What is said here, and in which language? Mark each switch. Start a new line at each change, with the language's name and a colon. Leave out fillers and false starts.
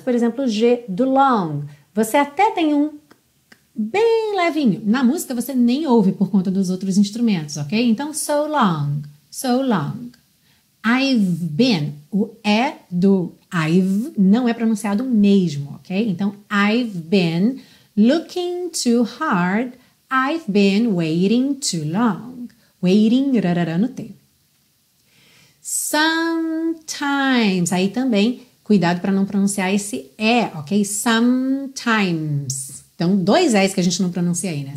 Portuguese: Por exemplo, G do long. Você até tem um bem levinho. Na música você nem ouve por conta dos outros instrumentos, ok? Então,
English: so long, so long. I've been,
Portuguese: o E do I've não é pronunciado mesmo, ok?
English: Então, I've been looking too hard, I've been waiting too long.
Portuguese: Waiting, rarara, no T. Sometimes, aí também, cuidado para não pronunciar esse E, ok? Sometimes, então dois E's que a gente não pronuncia aí, né?